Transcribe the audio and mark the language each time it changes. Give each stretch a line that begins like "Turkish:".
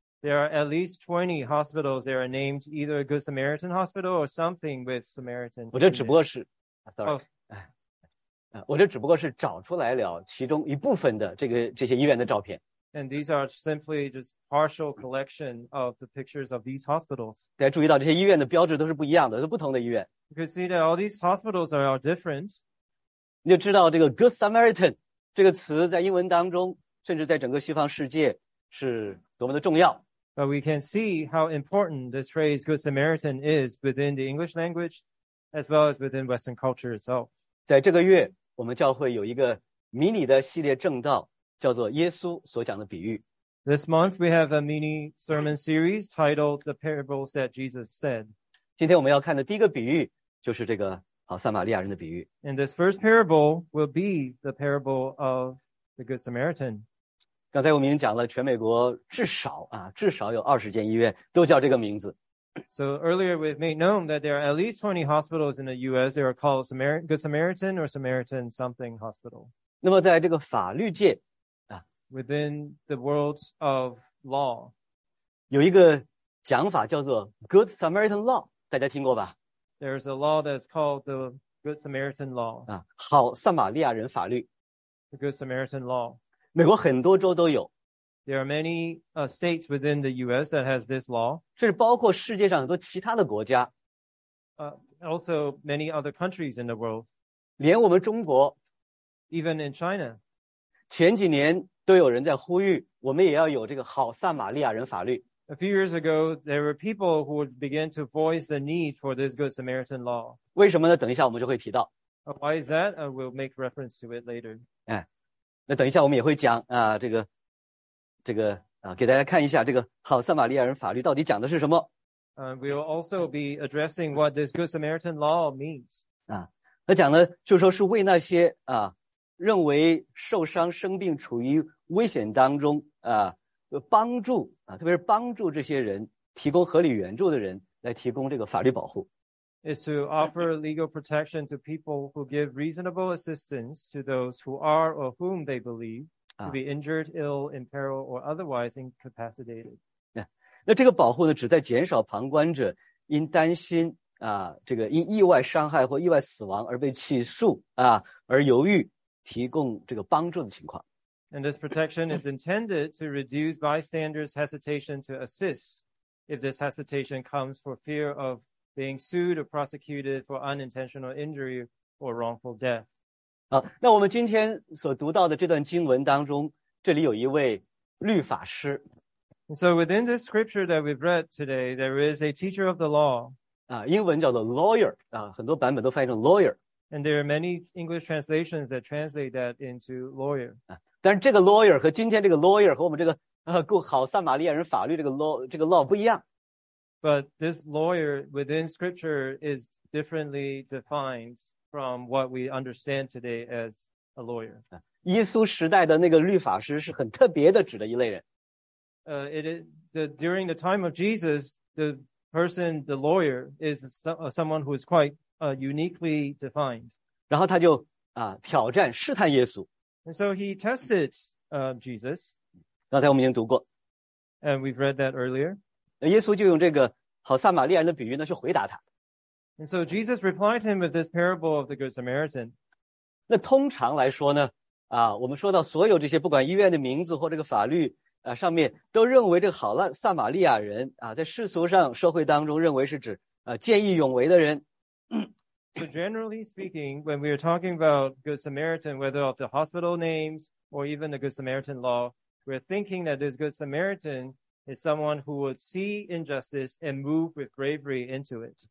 English: There are at least 20 hospitals that are named either a Good Samaritan Hospital or something with Samaritan.
Chinese: 我这只不过是 我这只不过是找出来了其中一部分的这些医院的照片。
English: And these are simply just partial collection of the pictures of these hospitals.
Chinese: 大家注意到这些医院的标志都是不一样的，都是不同的医院。
English: You can see that all these hospitals are all different.
Chinese: 你就知道这个 Good Samaritan 这个词在英文当中，甚至在整个西方世界是多么的重要。
English: But we can see how important this phrase Good Samaritan is within the English language as well as within Western culture itself.
Chinese: 在这个月我们教会有一个迷你的系列正道叫做耶稣所讲的比喻。
English: This month we have a mini sermon series titled The Parables That Jesus Said.
Chinese: 今天我们要看的第一个比喻就是这个好撒玛利亚人的比喻。
English: And this first parable will be the parable of the Good Samaritan.
Chinese: 刚才我们已经讲了全美国至少有20间医院都叫这个名字。
English: So earlier we've made known that there are at least 20 hospitals in the US that are called Good Samaritan or Samaritan something hospital.
Chinese: 那么在这个法律界
English: Within the world of law.
Chinese: 有一个讲法叫做 Good Samaritan Law, 大家听过吧。
English: There's a law that's called the Good Samaritan law.
Chinese: 啊，好撒玛利亚人法律。
English: The Good Samaritan law.
Chinese: 美国很多州都有。
English: There are many states within the U.S. that has this law.
Chinese: 这是包括世界上很多其他的国家。
English: Also many other countries in the world.
Chinese: 连我们中国。
English: Even in China.
Chinese: 前几年都有人在呼吁，我们也要有这个好撒玛利亚人法律。
English: A few years ago, there were people who began to voice the need for this Good Samaritan law.
Chinese: 为什么呢？等一下我们就会提到。
English: Why is that? We'll make reference to it later.
Chinese: 哎，那等一下我们也会讲啊，这个啊，给大家看一下这个好撒玛利亚人法律到底讲的是什么。
English: We'll also be addressing what this Good Samaritan law means.
Chinese: 啊，那讲呢，就是说是为那些啊认为受伤、生病、处于危险当中啊。帮助啊，特别是帮助这些人提供合理援助的人来提供这个法律保护。
English: Is to offer legal protection to people who give reasonable assistance to those who are or whom they believe to be injured, ill, in peril, or otherwise incapacitated.
Chinese: 那这个保护呢，旨在减少旁观者因担心啊，这个因意外伤害或意外死亡而被起诉啊，而犹豫提供这个帮助的情况。
English: And this protection is intended to reduce bystanders' hesitation to assist if this hesitation comes for fear of being sued or prosecuted for unintentional injury or wrongful death.
Chinese: 好，那我们今天所读到的这段经文当中，这里有一位律法师。
English: And so within this scripture that we've read today, there is a teacher of the law.
Chinese: 啊，英文叫做 lawyer, 啊，很多版本都翻译成 lawyer.
English: And there are many English translations that translate that into lawyer.
Chinese: 啊，但是这个 lawyer 和今天这个 lawyer 和我们这个够好撒玛利亚人法律这个 law 不一样。
English: But this lawyer within scripture is differently defined from what we understand today as a lawyer.
Chinese: 耶稣时代的那个律法师是很特别的指的一类人。
English: During the time of Jesus, the person, the lawyer, is someone who is quite uniquely defined.
Chinese: 然后他就啊挑战试探耶稣。
English: And so he tested, Jesus.
Chinese: 刚才我们已经读过。
English: And we've read that earlier.
Chinese: 耶稣就用这个好撒玛利亚人的比喻呢去回答他。
English: And so Jesus replied him with this parable of the Good Samaritan.
Chinese: 那通常来说呢啊我们说到所有这些不管医院的名字或这个法律啊上面都认为这个好撒玛利亚人啊在世俗上社会当中认为是指啊见义勇为的人。
English: So generally speaking, when we are talking about Good Samaritan, whether of the hospital names or even the Good Samaritan law, we're thinking that this Good Samaritan is someone who would see injustice and move with bravery into it.